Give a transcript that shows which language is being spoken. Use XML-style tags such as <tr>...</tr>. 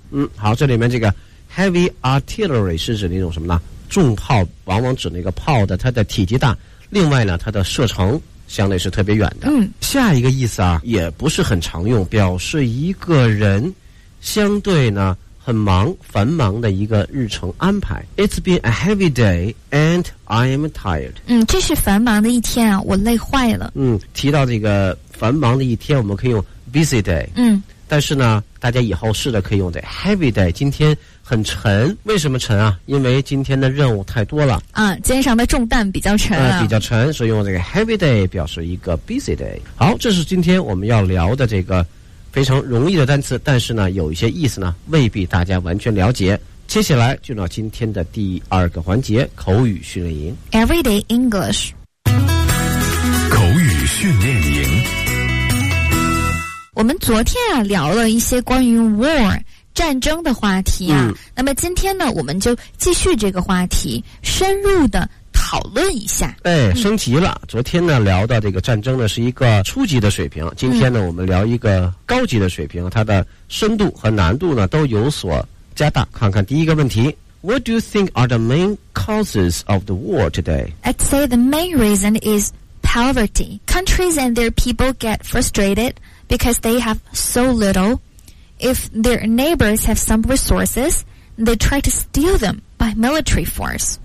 <zh>嗯，好，这里面这个 heavy artillery 是指那种什么呢？重炮往往指那个炮的它的体积大，另外呢它的射程相对是特别远的。嗯，下一个意思啊也不是很常用，表示一个人相对呢很忙繁忙的一个日程安排。</zh> <en>It's been a heavy day and I am tired。</en> <zh>嗯，这是繁忙的一天啊，我累坏了。嗯，提到这个繁忙的一天我们可以用 busy day。嗯，但是呢大家以后试着可以用的 heavy day， 今天很沉。为什么沉啊？因为今天的任务太多了啊，肩上的重担比较沉啊、比较沉，所以用这个 heavy day 表示一个 busy day。好，这是今天我们要聊的这个非常容易的单词，但是呢有一些意思呢未必大家完全了解。接下来就到今天的第二个环节，口语训练营</zh> <en>Everyday English。</en> <zh>口语训练营，我们昨天啊聊了一些关于 war 战争的话题啊、那么今天呢我们就继续这个话题深入的讨论一下。哎，升级了、昨天呢聊到这个战争呢是一个初级的水平，今天呢、我们聊一个高级的水平，它的深度和难度呢都有所加大。看看第一个问题，</zh> <en>What do you think are the main causes of the war today? I'd say the main reason is poverty. Countries and their people get frustratedBecause they have so little. If their neighbors have some resources, they try to steal them by military force.</en>